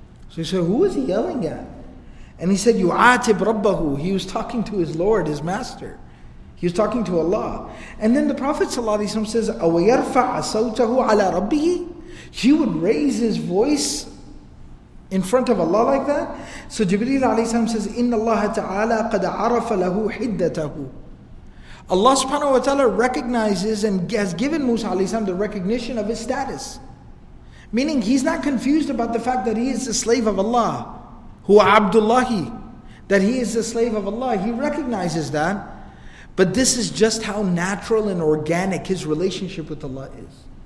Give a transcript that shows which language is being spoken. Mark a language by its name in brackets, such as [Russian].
[English] So he said, who was he yelling at? And he said, [Arabic] يُعَاتِبْ رَبَّهُ. [English] He was talking to his Lord, his Master. He was talking to Allah. And then the Prophet ﷺ says, [Arabic] أَوَيَرْفَعَ صَوْتَهُ عَلَىٰ رَبِّهِ. [English] He would raise his voice in front of Allah like that. So Jibreel ﷺ says, [Arabic] إِنَّ اللَّهَ تَعَالَىٰ قَدْ عَرَفَ لَهُ حِدَّتَهُ. [English] Allah subhanahu wa ta'ala recognizes and has given Musa alayhi salam the recognition of his status. Meaning he's not confused about the fact that he is the slave of Allah, who abdullahi, that he is the slave of Allah. He recognizes that. But this is just how natural and organic his relationship with Allah is.